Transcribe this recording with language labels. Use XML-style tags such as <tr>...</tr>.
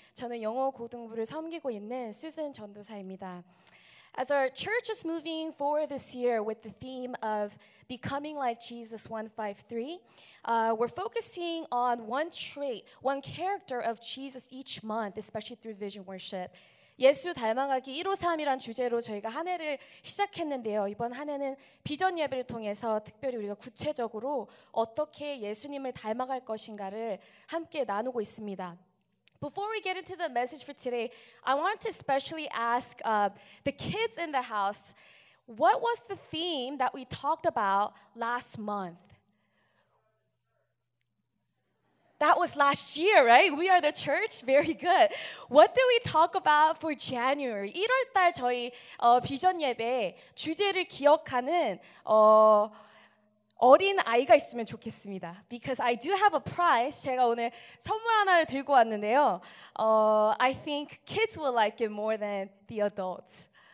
<ko>저는 영어 고등부를 섬기고 있는 수진 전도사입니다.</ko> <en>As our church is moving forward this year with the theme of becoming like Jesus 153, we're focusing on one trait, one character of Jesus each month, especially through vision worship.</en> <ko>예수 닮아가기 153이란 주제로 저희가 한 해를 시작했는데요. 이번 한 해는 비전 예배를 통해서 특별히 우리가 구체적으로 어떻게 예수님을 닮아갈 것인가를 함께 나누고 있습니다.</ko> <en>Before we get into the message for today, I want to especially ask the kids in the house, what was the theme that we talked about last month? That was last year, right? We are the church. Very good. What did we talk about for January?</en> <ko>1월 달 저희 비전 예배 주제를 기억하는 어린 아이가 있으면 좋겠습니다.</ko> <en>Because I do have a prize.</en> <ko>제가 오늘 선물 하나를 들고 왔는데요.</ko> <en>I think kids will like it more than the adults.</en>